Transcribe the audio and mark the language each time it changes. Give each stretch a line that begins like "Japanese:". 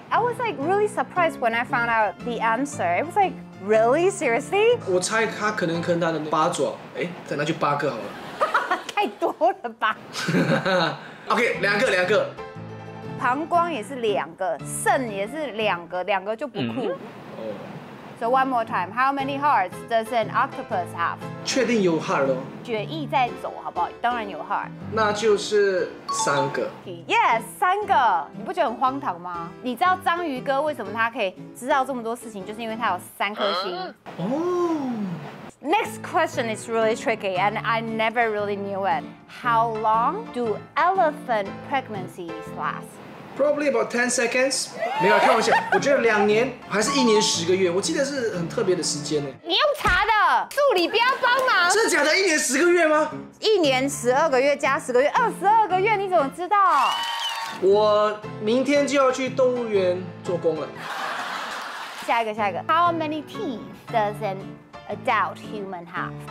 English: ？I was like really surprised when I found out the answer. It was like really seriously.
Chinese: 我猜他可能跟他的八爪，哎，那就八个好了。太多了吧？OK， 两个。膀胱也是两个，肾也是两个，两个就不酷。哦、mm-hmm. oh.。
English: So one more time, how many hearts does an octopus have?
Chinese: 确定有 heart 咯。决意在走，好不好？当然有 heart。那就是三个。
English: Yes，
Chinese: 三个。你不觉得很荒唐吗？你知道章鱼哥为什么他可以知道这么多事情，就是因为他有三颗心。哦、oh.。
English: Next question is really tricky, and I never really knew it. How long do elephant pregnancies last? Probably about 10 seconds.
Chinese: 没有，开玩笑。我觉得两年还是一年十个月，我记得是很特别的时间呢。你用查的。助理不要帮忙，真的假的？一年十个月吗？一年十二个月加十个月，22个月，你怎么知道？我明天就要去动物园做工了。下一个。
English: How many teeth does an adult human have？